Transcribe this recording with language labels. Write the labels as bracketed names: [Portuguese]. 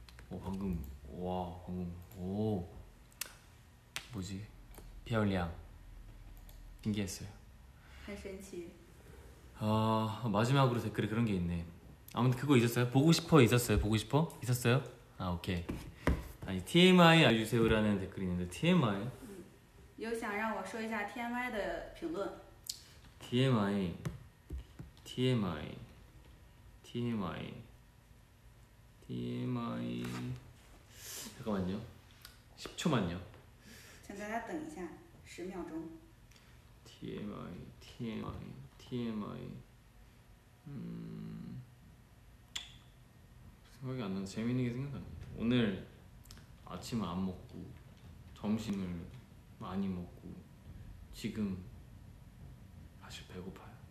[Korean] 오 방금 와 방금 오 뭐지 별량 신기했어요. [Chinese] 很神奇. [Korean] 마지막으로 댓글에 그런 게 있네. 아무튼 그거 있었어요. 보고 싶어 있었어요. 보고 싶어 있었어요. 아 오케이. 아니 TMI 알려주세요라는 댓글이 있는데 TMI. [Chinese] 有想让我说一下 TMI 的评论. [Korean] TMI TMI TMI TMI 잠깐만요. 10초만요. [Chinese] 请大家等一下，十秒钟. [Korean] TMI TMI TMI 생각이 안 나. 재밌는 게 생각 안 나. 오늘 아침을 안 먹고 점심을 많이 먹고 지금 사실 배고파.